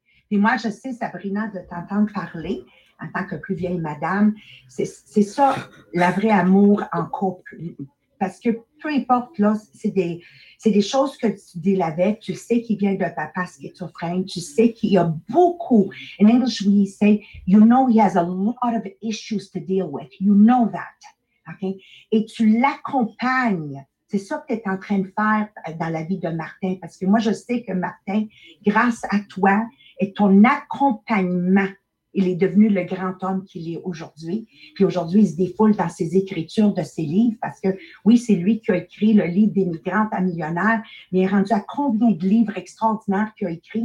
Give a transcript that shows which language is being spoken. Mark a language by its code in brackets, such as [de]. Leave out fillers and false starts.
[fr] Et moi, je sais, Sabrina, de t'entendre parler en tant que plus vieille madame, c'est ça, la vraie amour en couple. Parce que peu importe, là, c'est des choses que tu dis avec. Tu sais qu'il vient d'un papa schizophrène. Tu sais qu'il y a beaucoup. [en] In English, we say, you know he has a lot of issues to deal with. You know that. Okay? [fr] Et tu l'accompagnes. C'est ça que tu es en train de faire dans la vie de Martin. Parce que moi, je sais que Martin, grâce à toi, et ton accompagnement, il est devenu le grand homme qu'il est aujourd'hui. Puis aujourd'hui, il se défoule dans ses écritures de ses livres parce que, oui, c'est lui qui a écrit le livre des migrantes à millionnaires, mais il est rendu à combien de livres extraordinaires qu'il a écrit?